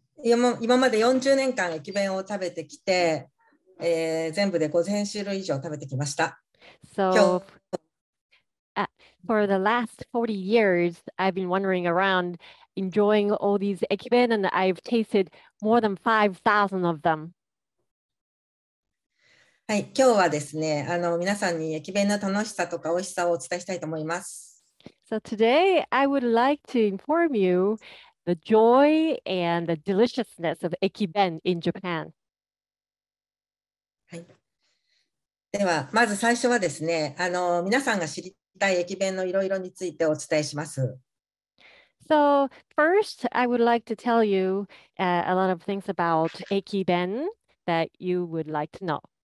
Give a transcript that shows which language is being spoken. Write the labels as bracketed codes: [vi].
[ja] 今まで40年間駅弁を食べてきて、全部で5000種類以上食べてきました。 [en] So, [ja] 今日、 [en] for the last 40 years, I've been wandering around enjoying all these 駅弁 and I've tasted more than 5,000 of them. [ja] はい、今日はですね、皆さんに駅弁の楽しさとか美味しさをお伝えしたいと思います。 [en] So today I would like to inform you the joy and the deliciousness of 駅弁 in Japan. [ja] はい。ではまず最初はですね、皆さんが知りたい駅弁のいろいろについてお伝えします。 [en] So first I would like to tell you a lot of things about 駅弁 that you would like to know.